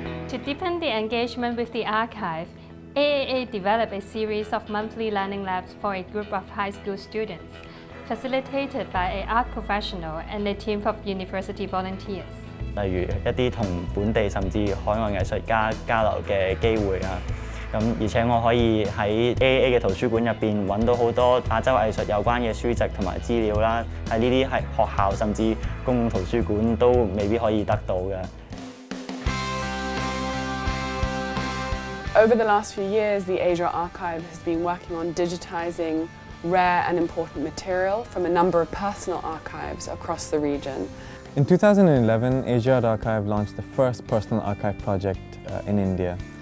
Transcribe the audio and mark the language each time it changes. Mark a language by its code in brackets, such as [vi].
[en] To deepen the engagement with the archive, AAA developed a series of monthly learning labs for a group of high school students, facilitated by an art professional and a team of university volunteers. [yue] 例如一啲同本地甚至海外藝術家交流嘅機會啊，咁而且我可以喺 AAA 嘅圖書館入邊揾到好多亞洲藝術有關嘅書籍同埋資料啦，喺呢啲係學校甚至公共圖書館都未必可以得到嘅。 [en] Over the last few years, the Asia Archive has been working on digitizing rare and important material from a number of personal archives across the region. In 2011, Asia Art Archive launched the first personal archive project in India.